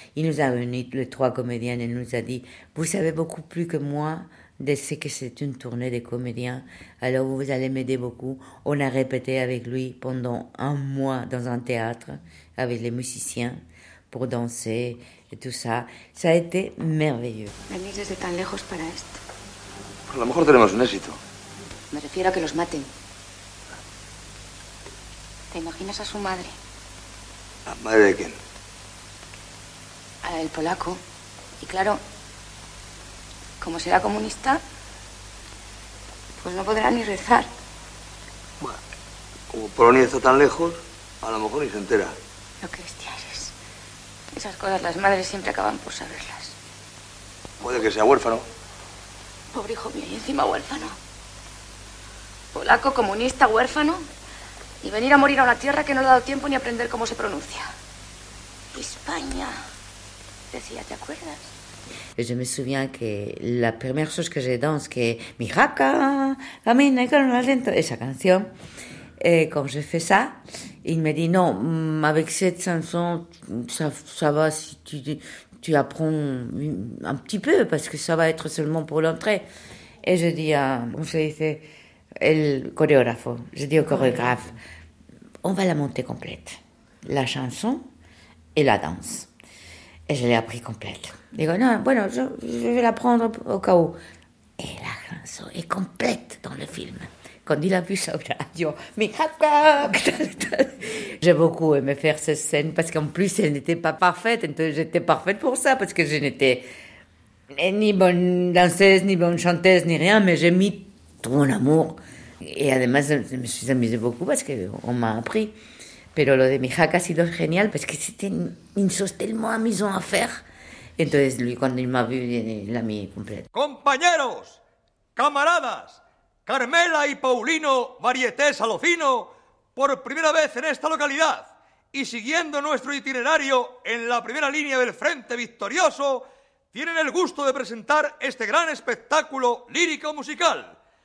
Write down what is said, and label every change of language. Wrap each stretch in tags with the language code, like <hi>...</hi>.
<fr>Il nous a réunis, les trois comédiens, et nous a dit, vous savez beaucoup plus que moi de ce que c'est une tournée des comédiens, alors vous allez m'aider beaucoup. On a répété avec lui pendant un mois dans un théâtre avec les musiciens pour danser et tout ça. Ça a été merveilleux.</fr> <es>Venir desde tan lejos para esto. A lo mejor tenemos un éxito. Me refiero a que los maten. ¿Te imaginas a su madre? ¿La madre de quién? A la del polaco. Y claro, como será comunista, pues no podrá ni rezar. Bueno, como Polonia está tan lejos, a lo mejor ni se entera. Lo que bestia eres. Esas cosas las madres siempre acaban por saberlas. Puede que sea huérfano. Pobre hijo mío, y encima huérfano. Polaco, comunista, huérfano. Y venir a morir a una tierra que no le ha dado tiempo ni a aprender cómo se pronuncia. España, decía, ¿te acuerdas?</es> <fr>Je me souviens que la première chose que je danse, que mi jaca, camina con un aliento, esa canción, et quand j'ai fait ça, il me dit, non, avec cette chanson, ça va si tu apprends un petit peu, parce que ça va être seulement pour l'entrée. Et je dis à, je dis au chorégraphe, on va la monter complète, la chanson et la danse. Et je l'ai appris complète. Digo, no, bueno, je vais la prendre au cas où. Et la chanson est complète dans le film. Quand il a vu ça, il a dit, mi jaca! J'ai beaucoup aimé faire cette scène parce qu'en plus, elle n'était pas parfaite. Donc j'étais parfaite pour ça parce que je n'étais ni bonne danseuse, ni bonne chanteuse, ni rien, mais j'ai mis tout mon amour. Et además, je me suis amusée beaucoup parce qu'on m'a appris. Pero lo de mi jaca a sido génial parce que c'était une chose tellement amusante à faire.</fr> <es>Entonces, cuando él me vio, la mía completa. Compañeros, camaradas, Carmela y Paulino, varietés a lo fino, por primera vez en esta localidad y siguiendo nuestro itinerario en la primera línea del Frente Victorioso, tienen el gusto de presentar este gran espectáculo lírico-musical</es>